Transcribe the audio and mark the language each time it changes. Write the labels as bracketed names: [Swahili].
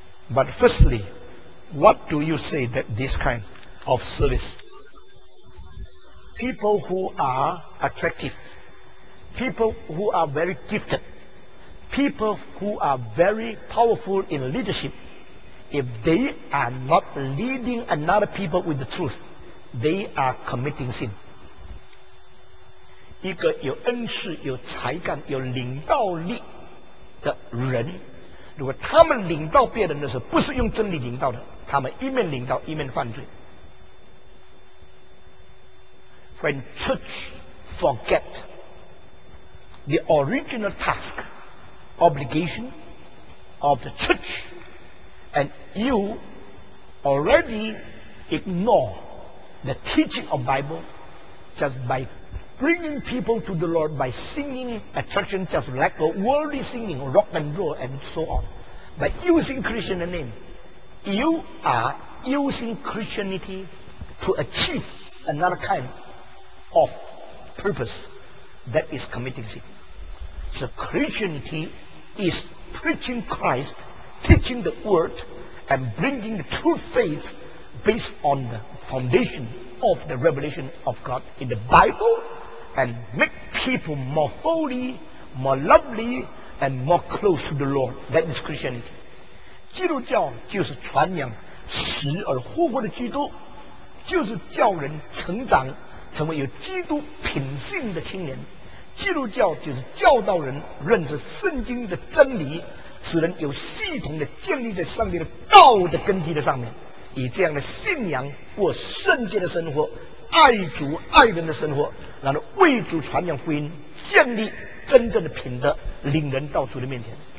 [English] But firstly, what do you say that this kind of service, people who are attractive, people who are very gifted, people who are very powerful in leadership, if they are not leading another people with the truth, they are committing sin. [Chinese] 一个有恩赐、有才干、有领导力的人，如果他们领导别人的时候不是用真理领导的，他们一面领导一面犯罪。 [English] When church forget the original task obligation of the church and you already ignore the teaching of Bible just by bringing people to the Lord by singing attraction just like worldly singing rock and roll and so on, by using Christian name, you are using Christianity to achieve another kind of purpose, that is committing sin. So Christianity is preaching Christ, teaching the word, and bringing the true faith based on the foundation of the revelation of God in the Bible, and make people more holy, more lovely, and more close to the Lord. That is Christianity. [Chinese] 基督教就是传扬死而复活的基督，就是叫人成长，成为有基督品性的青年。基督教就是教导人认识圣经的真理，使人有系统的建立在上帝的道的根基的上面，以这样的信仰过圣洁的生活，爱主爱人的生活，然后为主传扬福音，建立真正的品德，领人到主的面前。